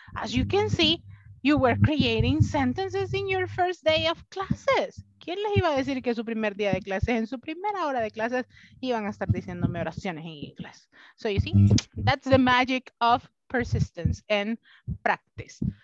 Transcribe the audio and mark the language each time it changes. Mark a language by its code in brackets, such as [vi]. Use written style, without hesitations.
[en] As you can see, you were creating sentences in your first day of classes. [es] ¿Quién les iba a decir que su primer día de clases, en su primera hora de clases, iban a estar diciéndome oraciones en inglés? [en] So you see, that's the magic of persistence and practice.